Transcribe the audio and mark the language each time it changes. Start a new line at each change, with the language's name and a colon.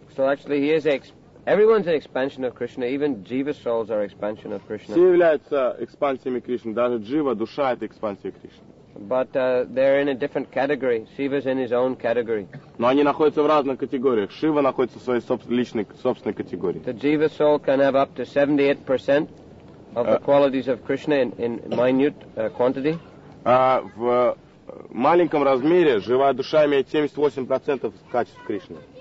English: So actually, he is everyone's an expansion of Krishna. Even Jiva souls are expansion of Krishna.
Russian: Все являются экспансиями Кришны. Даже Джива, душа – это экспансия Кришны.
English: But they're in a different category. Shiva's in his own category.
Russian: Но они находятся в разных категориях. Шива находится в своей собственной категории.
English: The Jiva soul can have up to 78% of the qualities of Krishna in minute quantity.
Russian: В маленьком размере живая душа имеет 78% качеств Кришны.